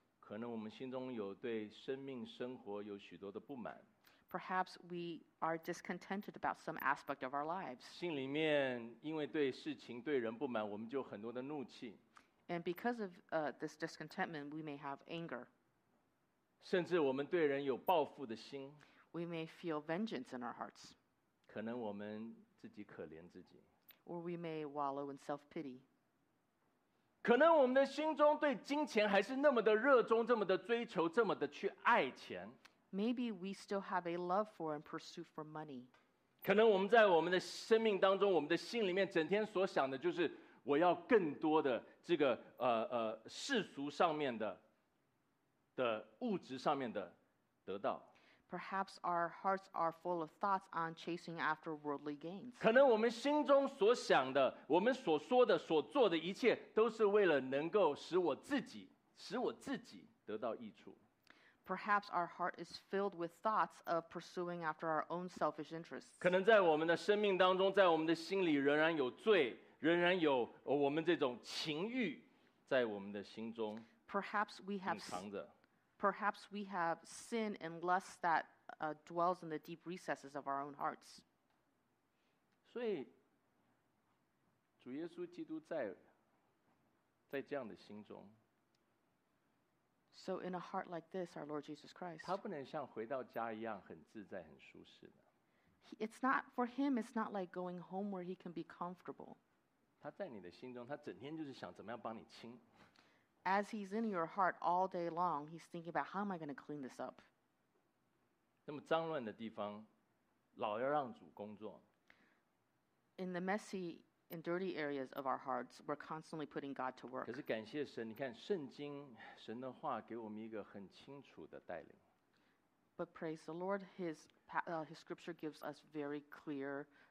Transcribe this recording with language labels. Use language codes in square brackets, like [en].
[zh] 可能我们心中有对生命生活有许多的不满。 [en] Perhaps we are discontented about some aspect of our lives. [zh] 心里面因为对事情对人不满，我们就很多的怒气。 [en] And because of this discontentment, we may have anger. [zh] 甚至我们对人有报复的心。 [en] We may feel vengeance in our hearts. [zh] 可能我们自己可怜自己。 [en] Or we may wallow in self-pity. [zh] 可能我们的心中对金钱还是那么的热衷，这么的追求，这么的去爱钱。 [en] Maybe we still have a love for and pursuit for money. [zh] 可能我们在我们的生命当中，我们的心里面整天所想的就是我要更多的这个世俗上面的物质上面的得到。 [en] Perhaps our hearts are full of thoughts on chasing after worldly gains. [zh] 可能我们心中所想的，我们所说的，所做的一切，都是为了能够使我自己得到益处。 [en] Perhaps our heart is filled with thoughts of pursuing after our own selfish interests. [zh] 可能在我们的生命当中，在我们的心里仍然有罪，仍然有我们这种情欲在我们的心中隐藏着。 [en] Perhaps we have sin and lust that dwells in the deep recesses of our own hearts. [zh] 所以主耶稣基督在这样的心中。 [en] So in a heart like this, our Lord Jesus Christ. [zh] 他不能像回到家一样很自在很舒适的。 [en] It's not for him, it's not like going home where he can be comfortable. [zh] 他在你的心中，他整天就是想怎么样帮你清。 [en] As he's in your heart all day long, he's thinking about how am I going to clean this up? [zh] 那么脏乱的地方，老要让主工作。 [en] In the messy and dirty areas of our hearts, we're constantly putting God to work. [zh] 可是感谢神，你看圣经，神的话给我们一个很清楚的带领。 [en] But praise the Lord, his scripture gives us very clear